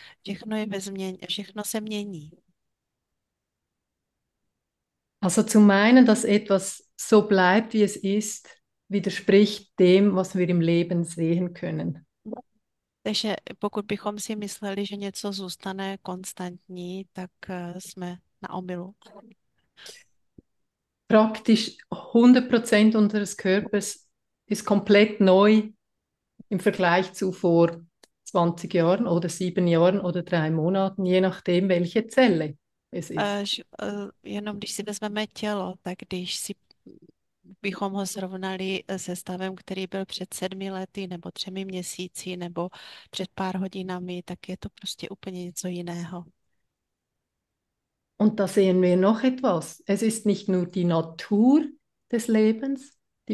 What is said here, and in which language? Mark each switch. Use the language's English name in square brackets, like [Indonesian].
[Czech] Všechno je ve změně, všechno se mění. [German] Also zu meinen, dass etwas so bleibt, wie es ist, widerspricht dem, was wir im Leben sehen können. [Czech] Takže pokud bychom si mysleli, že něco zůstane konstantní, tak jsme na omylu. [German] Praktisch 100% unseres Körpers ist komplett neu im Vergleich zu vor 20 Jahren oder 7 Jahren oder 3 Monaten, je nachdem, welche Zelle es ist. [Czech] Jenom když si vezmeme tělo, tak když si bychom ho srovnali se stavem, který byl před 7 lety, nebo 3 měsíci, nebo před pár hodinami, tak je to prostě úplně něco jiného. [German] Und da sehen wir noch etwas. Es ist nicht nur die Natur des Lebens, die